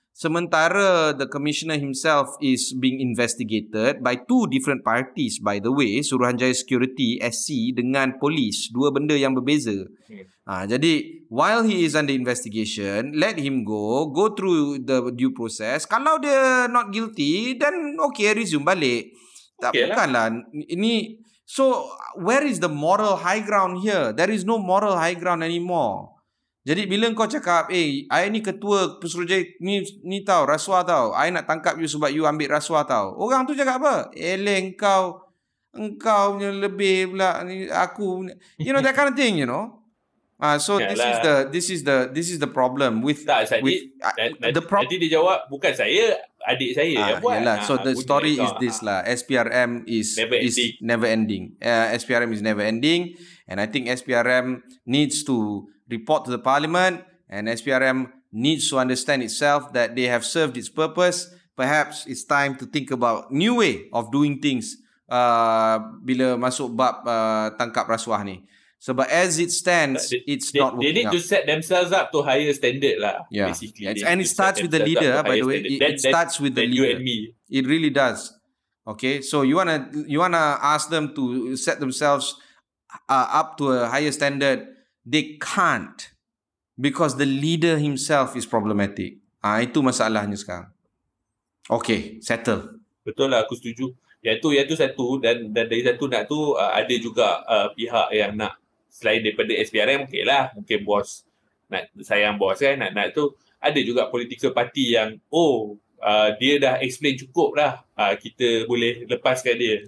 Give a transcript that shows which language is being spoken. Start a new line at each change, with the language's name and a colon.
English: Sementara the commissioner himself is being investigated by two different parties, by the way.
Malay: Suruhanjaya Security, SC, dengan polis. Dua benda yang berbeza.
English: Jadi, while he is under investigation, let him go through the due process.
Malay: Kalau dia
English: not guilty, then okay, resume
Malay: balik. Tak, okay, bukanlah.
English: Ini, so, where is the moral high ground here? There is no moral high ground anymore.
Malay: Jadi bila kau cakap, I ni ketua pesuruhjaya ni tau, rasuah tau. I nak tangkap you sebab you ambil rasuah tau. Orang tu cakap apa? Eleh kau. Engkau punya lebih pula. Aku.
English: You know that kind of thing, you know. So this is the problem with.
Malay: Tak, sadi, with jadi dia jawab, bukan saya, adik saya yang buat.
English: Yalah. So the story is this lah. SPRM is never ending. SPRM is never ending. And I think SPRM needs to report to the parliament, and SPRM needs to understand itself that they have served its purpose. Perhaps it's time to think about new way of doing things
Malay: bila masuk bab tangkap rasuah ni.
English: So, but as it stands, they need to set themselves up to higher standard lah. Yeah. Basically. And it starts with the leader, by the way. It starts with the leader. You and me. It really does. Okay, so you wanna ask them to set themselves up to a higher standard. They can't because the leader himself is problematic.
Malay: Itu masalahnya sekarang.
English: Okay, settle.
Malay: Betul lah, aku setuju. Yaitu satu, dan dari satu nak tu ada juga pihak yang nak, selain daripada SPRM, okay lah, mungkin bos nak sayang bos kan, nak tu ada juga political party yang dia dah explain cukup lah, kita boleh lepaskan dia.